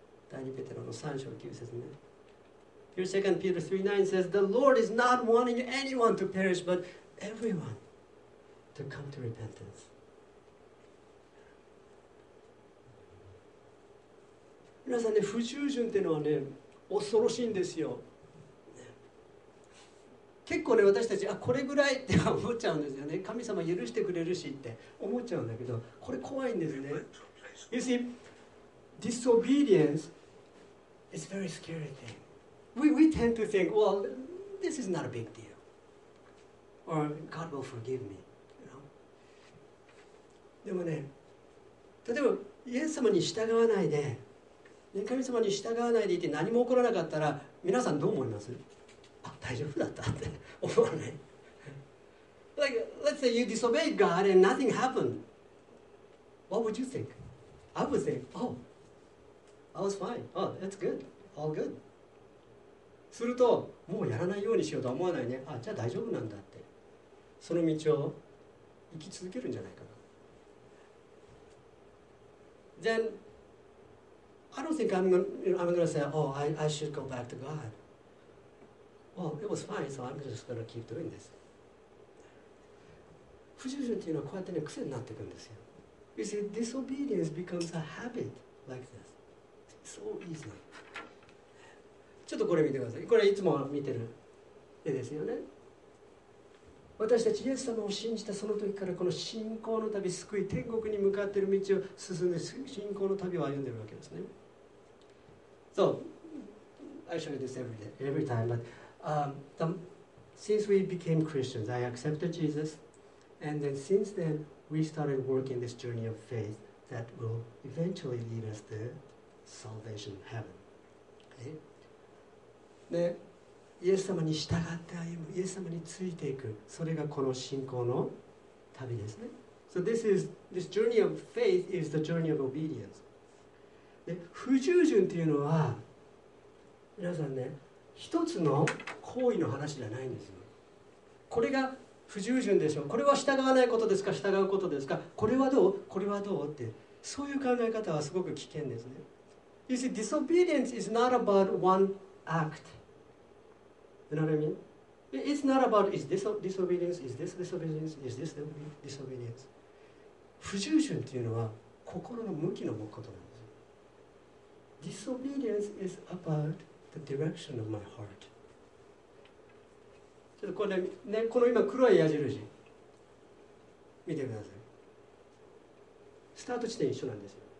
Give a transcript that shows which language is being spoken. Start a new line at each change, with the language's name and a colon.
Japanese: 第二ペテロの3章の9節ね、
English: Here's 2nd Peter 3:9 says, The Lord is not wanting anyone to perish, but everyoneTo come to repentance.
Japanese: みなさんね、不従順っていうのはね、恐ろしいんですよ。ね、結構ね、私たち、あ、これぐらいって思っちゃうんですよね。神様許してくれるしって思っちゃうんだけど、これ怖いんですね。
English: You see, disobedience is a very scary thing. We tend to think, well, this is not a big deal. Or God will forgive me.
Japanese: でもね、例えばイエス様に従わないで、ね、神様に従わないでいて何も起こらなかったら皆さんどう思います？あ、大丈夫だったって思わない？
English: Like, let's say you disobey God and nothing happened. What would you think? I would think, oh, I was fine. Oh, that's good. All good.
Japanese: すると、もうやらないようにしようと思わないね。あ、じゃあ大丈夫なんだって。その道を行き続けるんじゃないかな。
English: Then I don't think I'm gonna say, oh, I should go back to God. Well, it was fine, so I'm just gonna keep doing this.
Japanese: 不従順というのはこうやってね、癖になっていくんですよ。
English: You see, disobedience becomes a habit like this. So easy.
Japanese: ちょっとこれ見てください。これいつも見てる絵ですよね。私たちイエス様を信じたその時からこの信仰の旅、救い、天国に向かっている道を進んで信仰の旅を歩んでいるわけですね。
English: So, I show you this every day, every time, but since we became Christians, I accepted Jesus, and then since then, we started working this journey of faith that will eventually lead us to salvation, heaven. Okay?
Japanese: でイエス様に従って歩む、イエス様についていく、それがこの信仰の旅ですね。
English: So this journey of faith is the journey of obedience.
Japanese: で、不従順というのは、皆さんね、一つの行為の話じゃないんですよ。これが不従順でしょう。これは従わないことですか、従うことですか。これはどう、これはどうって、そういう考え方はすごく危険ですね。
English: You see, disobedience is not about one act.You know what I mean? It's not about is this disobedience, is this disobedience, is this disobedience.
Japanese: 不従順というのは心の向きのことなんです。
English: Disobedience is about the direction of my heart.
Japanese: ちょっとこれね、この今黒い矢印見てください。スタート地点一緒なんですよ。